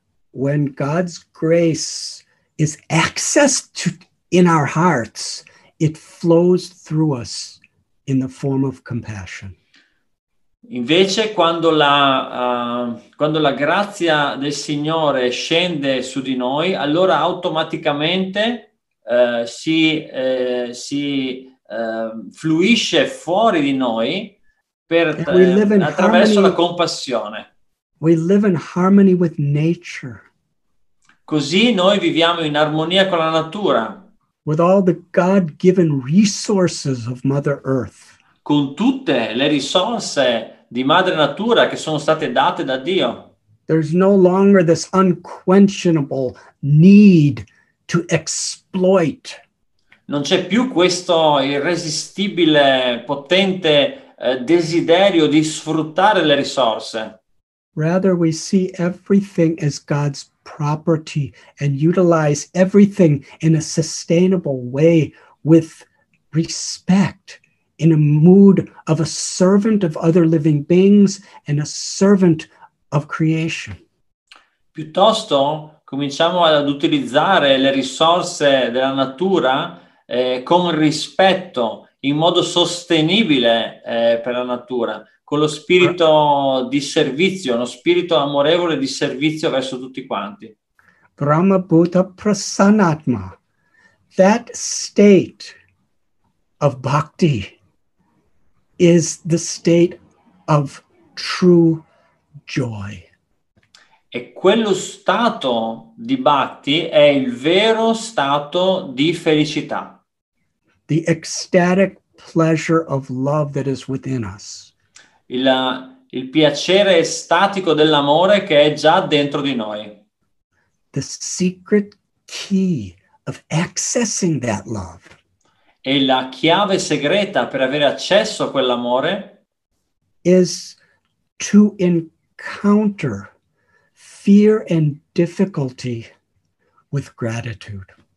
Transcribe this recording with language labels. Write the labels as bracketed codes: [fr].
[en] When God's grace is accessed in our hearts, it flows through us in the form of compassion. [it] Invece, quando la grazia del Signore scende su di noi, allora automaticamente fluisce fuori di noi attraverso la compassione. [en] We live in harmony with nature. [it] Così noi viviamo in armonia con la natura. [en] With all the God-given resources of Mother Earth. [it] Con tutte le risorse di madre natura che sono state date da Dio. [en] There's no longer this unquenchable need to exploit. [it] Non c'è più questo irresistibile, potente desiderio di sfruttare le risorse. [en] Rather, we see everything as God's property and utilize everything in a sustainable way with respect, in a mood of a servant of other living beings and a servant of creation. [it] Piuttosto, cominciamo ad utilizzare le risorse della natura con rispetto, in modo sostenibile per la natura, con lo spirito di servizio, uno spirito amorevole di servizio verso tutti quanti. [en] Brahma Bhuta Prasanatma, that state of bhakti is the state of true joy. [it] E quello stato di bhakti è il vero stato di felicità. [en] The ecstatic pleasure of love that is within us. [it] Il piacere estatico dell'amore che è già dentro di noi. [en] The secret key of accessing that love. [it] E la chiave segreta per avere accesso a quell'amore [en] is to encounter fear and difficulty with gratitude.